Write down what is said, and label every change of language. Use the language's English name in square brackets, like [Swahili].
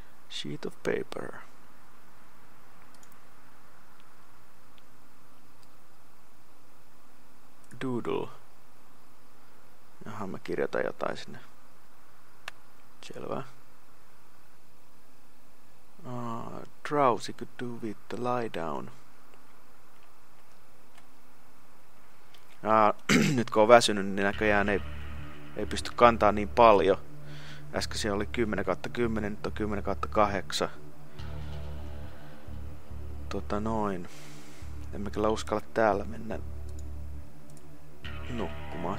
[English] Sheet of paper. Doodle. [Finnish] Jaha, mä kirjoitan jotain sinne. Selvä. [English] Drowsy could do with the lie down. [Finnish] nyt kun on väsynyt, niin näköjään ei pysty kantaa niin paljon. Äsken siellä oli 10/10, nyt on 10/8. Tota noin. En mä kyllä uskalla täällä mennä nukkumaan.